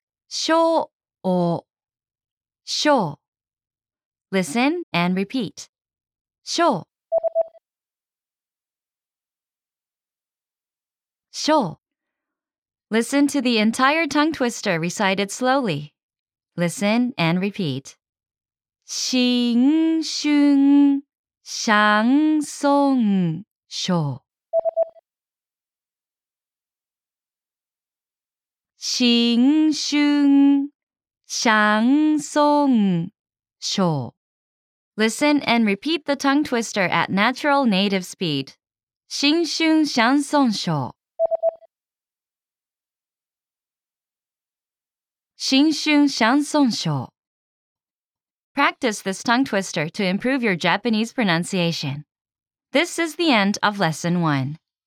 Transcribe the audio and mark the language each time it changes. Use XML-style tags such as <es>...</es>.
<en>Show o show. Listen and repeat. Show. Show. Listen to the entire tongue twister recited slowly. Listen and repeat.</en> <ja>新春シャンソンショー。新春シャンソンショー。</ja> <en>Listen and repeat the tongue twister at natural native speed.</en> <ja>新春シャンソンショー。新春シャンソンショー。</ja> <en>Practice this tongue twister to improve your Japanese pronunciation. This is the end of lesson 1.</en>